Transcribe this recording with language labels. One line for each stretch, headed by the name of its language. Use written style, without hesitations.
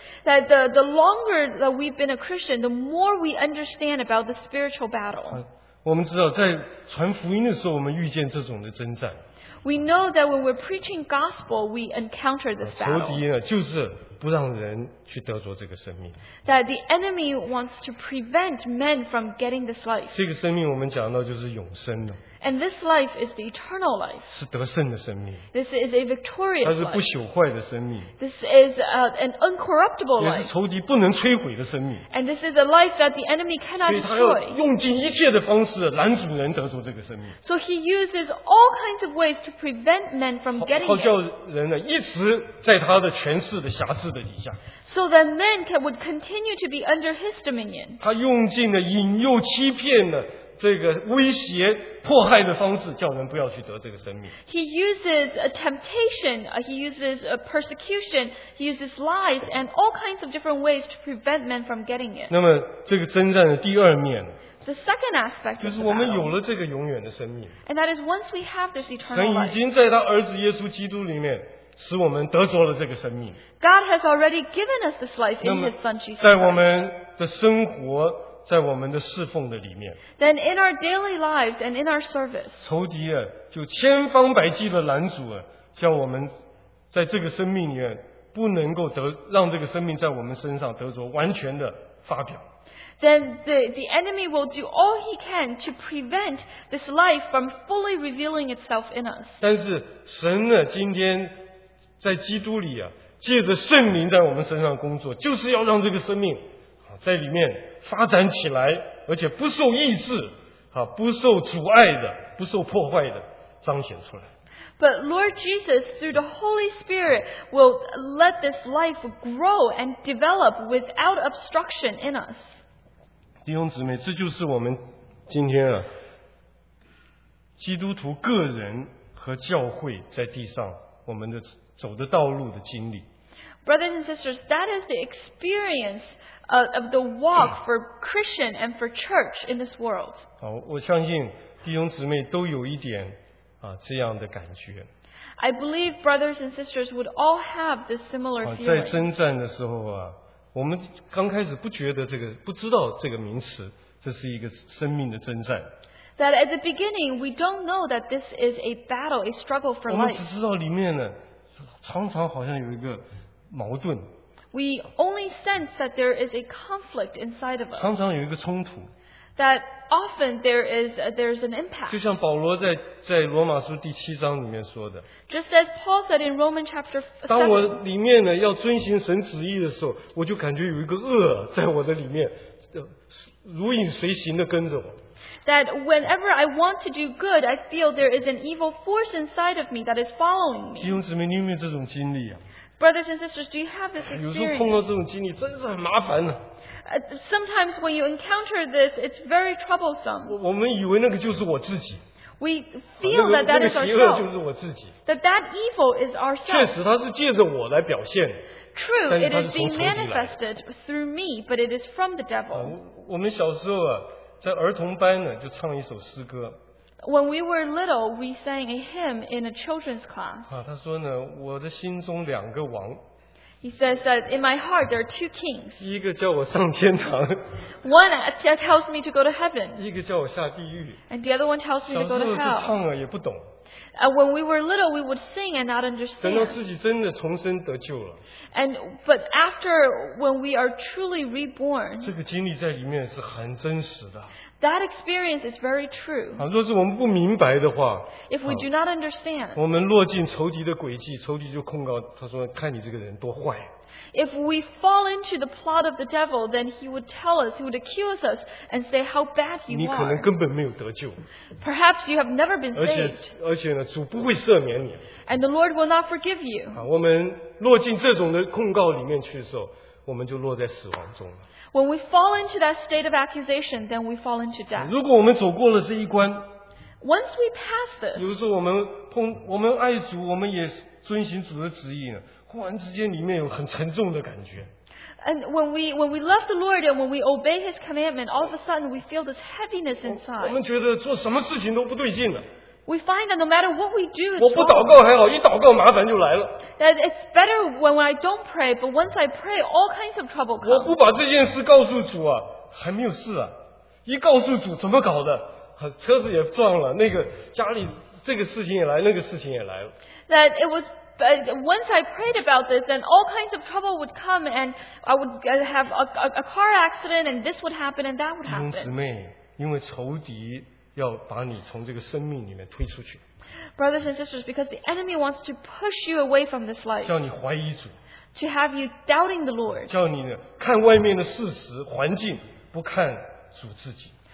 English: that the longer that we've been a Christian, the more we understand about the spiritual battle.
Chinese: 我们知道在传福音的时候我们遇见这种的征战。
English: We know that when we're preaching gospel, we encounter this battle.
Chinese: 仇敌呢,就是不让人去得着这个生命。
English: That the enemy wants to prevent men from getting this life.
Chinese: 这个生命我们讲到就是永生的。
English: And this life is the eternal life.
Chinese: 是得胜的生命。
English: This is a victorious life.
Chinese: 它是不朽坏的生命。
English: This is an incorruptible life.
Chinese: 也是仇敌不能摧毁的生命。
English: And this is a life that the enemy cannot destroy.
Chinese: 所以他要用尽一切的方式拦阻人得着这个生命。
English: So he uses all kinds of ways to prevent men from getting it.
Chinese: 好叫人呢一直在他的权势的辖制的底下。
English: So that men would continue to be under his dominion.
Chinese: 他用尽了引诱欺骗的。这个威胁迫害的方式，叫人不要去得这个生命。
English: He uses a temptation, he uses a persecution, he uses lies and all kinds of different ways to prevent men from getting it.
Chinese: 那么这个征战的第二面。
English: The second aspect is we have this eternal life. And that is once we have this eternal life.
Chinese: 神已经在他儿子耶稣基督里面使我们得着了这个生命。
English: God has already given us this life in His Son Jesus.
Chinese: 在我们的生活，在我们的侍奉的里面。
English: Then in our daily lives and in our service.
Chinese: 仇敌啊，就千方百计的拦阻啊，叫我们在这个生命里面不能够得，让这个生命在我们身上得着完全的发表。
English: Then the enemy will do all he can to prevent this life from fully revealing itself in us.
Chinese: 但是神呢，今天在基督里啊，借着圣灵在我们身上工作，就是要让这个生命啊在里面发展起来，而且不受抑制啊，不受阻碍的，不受破坏的彰显出来。
English: But Lord Jesus, through the Holy Spirit, will let this life grow and develop without obstruction in us.
Chinese: 弟兄姊妹，这就是我们今天啊，基督徒个人和教会在地上我们的走的道路的经历。
English: Brothers and sisters, that is the experience of the walk for Christian and for church in this world.
Chinese: 好，我相信弟兄姊妹都有一点啊这样的感觉。
English: I believe brothers and sisters would all have this similar feeling.
Chinese: 在征战的时候啊，我们刚开始不觉得这个，不知道这个名词，这是一个生命的征战。
English: That at the beginning we don't know that this is a battle, a struggle for life.
Chinese: 我们只知道里面呢，常常好像有一个矛盾。
English: We only sense that there is a conflict inside of us.
Chinese: 常常有一个冲突。
English: That often there's an impact.
Chinese: 就像保罗在罗马书第七章里面说的。
English: Just as Paul said in Romans chapter 7.
Chinese: 当我里面呢要遵循神旨意的时候，我就感觉有一个恶在我的里面，如影随形的跟着我。
English: That whenever I want to do good, I feel there is an evil force inside of me that is following me.
Chinese: 弟兄姊妹，你有没有这种经历啊？
English: Brothers and sisters, do you have this experience?
Chinese: 有时候碰到这种经历真是很麻烦的。
English: Sometimes when you encounter this, it's very troublesome.
Chinese: 我们以为那个就是我自己。
English: We feel that that is ourselves.
Chinese: 那个邪恶就是我自己。
English: That evil is ourselves.
Chinese: 确实，它是借着我来表现。
English: True, it is being manifested through me, but it is from the devil.
Chinese: 我们小时候啊，在儿童班呢，就唱一首诗歌。
English: When we were little, we sang a hymn in a children's class.
Chinese: 啊，他说呢，我的心中两个王。
English: He says that in my heart there are two kings.
Chinese: 一个叫我上天堂。
English: One tells me to go to heaven.
Chinese: 一个叫我下地狱。
English: And the other one tells me to go to hell.
Chinese: 小时候就唱了也不懂。
English: When we were little, we would sing and not understand.
Chinese: 等到自己真的重生得救了。
English: But after when we are truly reborn.
Chinese: 这个经历在里面是很真实的。
English: That experience is very true.
Chinese: 若是我们不明白的话，
English: If we do not understand,
Chinese: 我们落进仇敌的诡计，仇敌就控告他说：“看你这个人多坏。”
English: If we fall into the plot of the devil, then he would tell us, he would accuse us, and say how bad you are.
Chinese: 你可能根本没有得救。
English: Perhaps you have never been saved.
Chinese: 而且呢，主不会赦免你。
English: And the Lord will not forgive you.
Chinese: 我们落进这种的控告里面去的时候，我们就落在死亡中了。
English: When we fall into that state of accusation, then we fall into death.
Chinese: 如果我们走过了这一关，
English: Once we pass this,
Chinese: 有时候我们爱主，我们也遵行主的旨意呢，忽然之间里面有很沉重的感觉。
English: And when we love the Lord and when we obey His commandment, all of a sudden we feel this heaviness inside.
Chinese: 我们觉得做什么事情都不对劲了。
English: We find that no matter what we do, it's wrong.
Chinese: 我不祷告还好，一祷告麻烦就来了。
English: That it's better when I don't pray, but once I pray, all kinds of trouble comes.
Chinese: 我不把这件事告诉主啊，还没有事啊。一告诉主，怎么搞的？车子也撞了，那个家里这个事情也来，那个事情也来了。
English: That it was, but once I prayed about this, then all kinds of trouble would come, and I would have a car accident, and this would happen, and that would happen.
Chinese: 弟兄姊妹，因为仇敌要把你从这个生命里面推出去。
English: Brothers and sisters, because the enemy wants to push you away from this life.
Chinese: 叫你怀疑主。
English: To have you doubting the Lord.
Chinese: 叫你看外面的事实环境，不看主自己。